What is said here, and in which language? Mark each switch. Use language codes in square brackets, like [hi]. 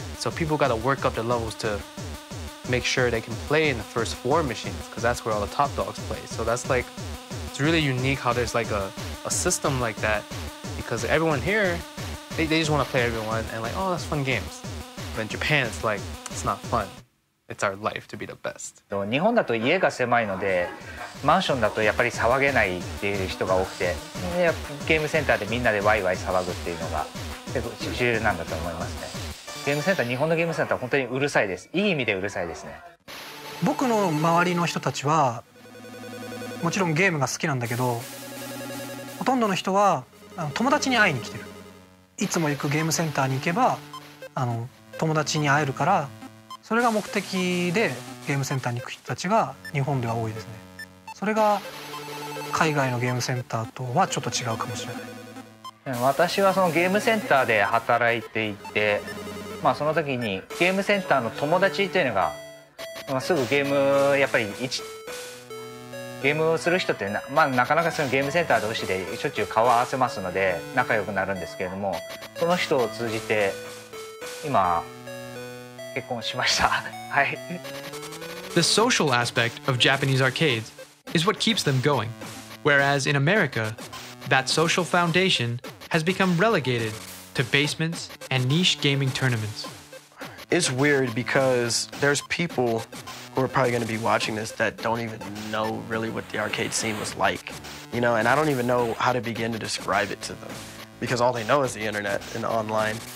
[en] So people got to work up their levels to make sure they can play in the first four machines, because that's where all the top dogs play. So that's like, it's really unique how there's like a system like that, because everyone here, they just want to play everyone and like, oh, that's fun games. But in Japan, it's like, it's not fun. It's our life to be the best. [ja] 日本だと家が狭いので、マンションだとやっぱり騒げないっていう人が多くて、ゲームセンターでみんなでワイワイ騒ぐっていうのが結構主流なんだと思いますね。ゲームセンター、日本のゲームセンター本当にうるさいです。いい意味でうるさいですね。僕の周りの人たちはもちろんゲームが好きなんだけど、ほとんどの人は友達に会いに来てる。いつも行くゲームセンターに行けば友達に会えるから、それが目的でゲームセンターに行く人たちが日本では多いですね。それが海外のゲームセンターとはちょっと違うかもしれない。私はそのゲームセンターで働いていて、まあ、その時にゲームセンターの友達というのが、まあ、すぐゲームやっぱりゲームをする人ってまあ、なかなかそのゲームセンター同士でしょっちゅう顔を合わせますので仲良くなるんですけれども、その人を通じて今結婚しました。はい。 [en] The social aspect of Japanese arcades is what keeps them going, whereas in America, that social foundation has become relegated to basements and niche gaming tournaments. It's weird because there's people who are probably going to be watching this that don't even know really what the arcade scene was like, you know, and I don't even know how to begin to describe it to them, because all they know is the internet and online.